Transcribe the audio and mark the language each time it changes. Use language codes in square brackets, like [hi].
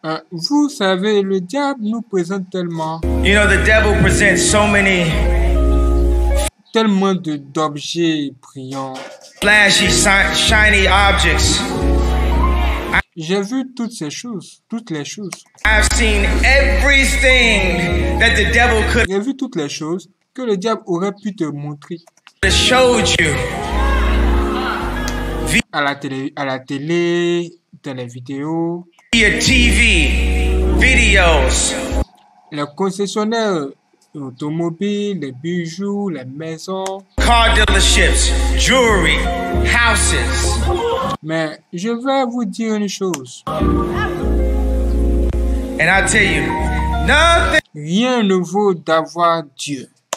[fr] Vous savez, le diable nous présente tellement. [en] You know, the devil presents so many. [fr] Tellement d'objets brillants. [en] Flashy, shiny objects. [fr] J'ai vu toutes ces choses, toutes les choses. [en] I've seen everything that the devil could. [fr] J'ai vu toutes les choses que le diable aurait pu te montrer. [en] They showed you. [fr] À la télé, dans les vidéos. [en] Via TV, videos. [fr] Les concessionnaires. Automobile, les bijoux, les maisons. [en] Car dealerships, jewelry, houses. [fr] Mais je vais vous dire une chose. [en] And I tell you, nothing. [fr] Rien ne vaut d'avoir Dieu.